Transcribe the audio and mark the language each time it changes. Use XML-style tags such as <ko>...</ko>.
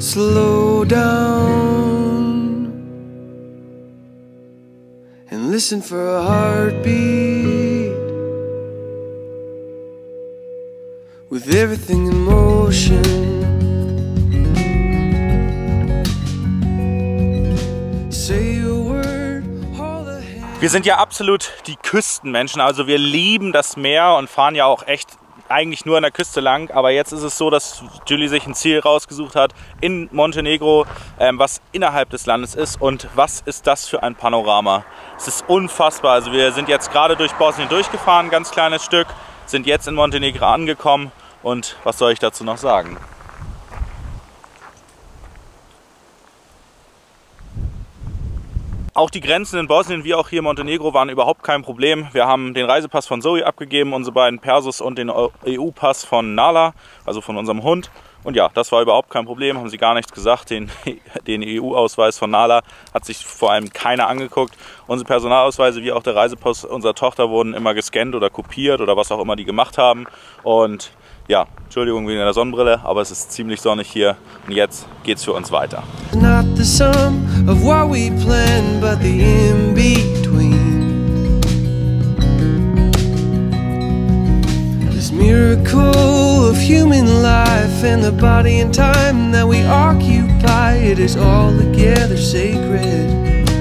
<en>Slow down and listen for a heartbeat. With everything in motion, say a word, hold a hand.</en> <de>Wir sind ja absolut die Küstenmenschen, also wir lieben das Meer und fahren ja auch echt eigentlich nur an der Küste lang, aber jetzt ist es so, dass Julie sich ein Ziel rausgesucht hat in Montenegro, was innerhalb des Landes ist. Und was ist das für ein Panorama? Es ist unfassbar. Also wir sind jetzt gerade durch Bosnien durchgefahren, ganz kleines Stück, sind jetzt in Montenegro angekommen. Und was soll ich dazu noch sagen? Auch die Grenzen in Bosnien wie auch hier in Montenegro waren überhaupt kein Problem. Wir haben den Reisepass von Zoe abgegeben, unsere beiden Persos und den EU-Pass von Nala, also von unserem Hund. Und ja, das war überhaupt kein Problem, haben sie gar nichts gesagt. Den EU-Ausweis von Nala hat sich vor allem keiner angeguckt. Unsere Personalausweise wie auch der Reisepass unserer Tochter wurden immer gescannt oder kopiert oder was auch immer die gemacht haben. Und ja, Entschuldigung wegen der Sonnenbrille, aber es ist ziemlich sonnig hier und jetzt geht's für uns weiter.</de> <en>Not the sum of what we plan, but the in-between. This miracle of human life and the body and time that we occupy, it is all together sacred.</en>